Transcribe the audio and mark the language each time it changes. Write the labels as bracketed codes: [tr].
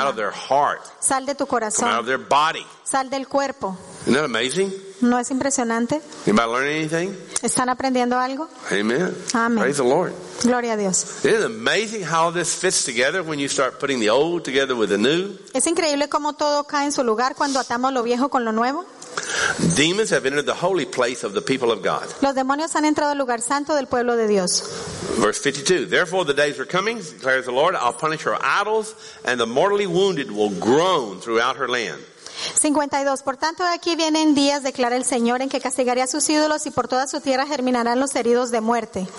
[en] Out of their heart. [es] Sal de tu corazón. [en] Come out of their body. [es] Sal del cuerpo. [en] Isn't that amazing? [es] ¿No es impresionante? [en] Anybody learn anything? [es] ¿Están aprendiendo algo? [en] Amen. [es] Amen. [en] Praise the Lord. [es] Gloria a Dios. [en] Isn't it amazing how this fits together when you start putting the old together with the new? [es] Es increíble cómo todo cae en su lugar cuando atamos lo viejo con lo nuevo. [en] Demons have entered the holy place of the people of God. [es] Los demonios han entrado al lugar santo del pueblo de Dios. [en] Verse 52. Therefore the days are coming, declares the Lord, I'll punish her idols, and the mortally wounded will groan throughout her land. [es] 52. Por tanto, aquí vienen días, declara el Señor, en que castigaré a sus ídolos y por toda su tierra germinarán los heridos de muerte.